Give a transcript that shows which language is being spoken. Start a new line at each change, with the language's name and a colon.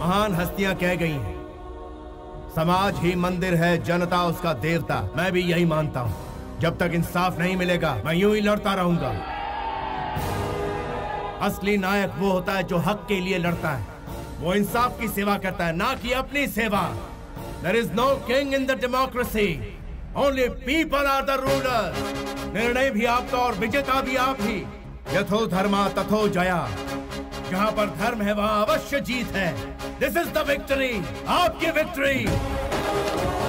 Hindi: महान हस्तियां कह गई हैं, समाज ही मंदिर है, जनता उसका देवता। मैं भी यही मानता हूँ। जब तक इंसाफ नहीं मिलेगा मैं यूं ही लड़ता रहूंगा। असली नायक वो होता है जो हक के लिए लड़ता है, वो इंसाफ की सेवा करता है ना कि अपनी सेवा।
English: There is no king in the democracy, only people are the rulers।
Hindi: निर्णय भी आपका और विजेता भी आप ही।
Sanskrit: यथो धर्मा तथो जया,
Hindi: जहाँ पर धर्म है वहाँ अवश्य जीत है।
English: This is the victory,
Hindi: आपकी
English: victory।